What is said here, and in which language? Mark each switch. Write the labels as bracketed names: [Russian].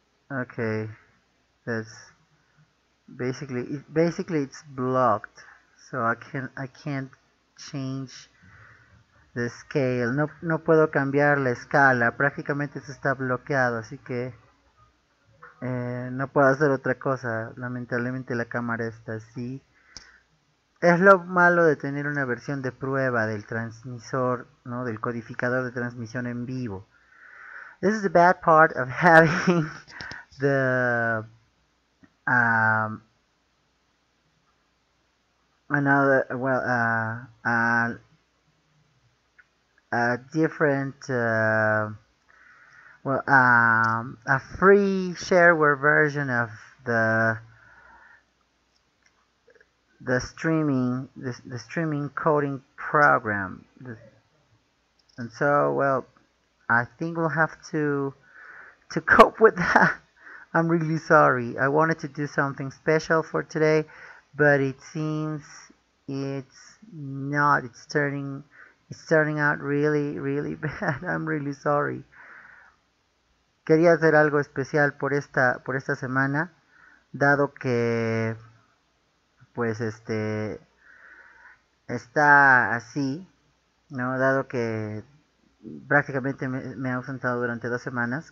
[English] Okay, that's basically it's blocked, so I can't change the scale. [Spanish] No, no puedo cambiar la escala, prácticamente eso está bloqueado, así que no puedo hacer otra cosa. Lamentablemente la cámara está así. Es lo malo de tener una versión de prueba del transmisor, ¿no? Del codificador de transmisión en vivo. [English] This is the bad part of having the another well a different a free shareware version of the streaming coding program. And so, well, I think we'll have to cope with that. I'm really sorry. I wanted to do something special for today, but it seems it's turning out really, really bad. I'm really sorry. [Spanish] Quería hacer algo especial por esta semana, dado que pues está así, ¿no? Dado que prácticamente me he ausentado durante 2 semanas.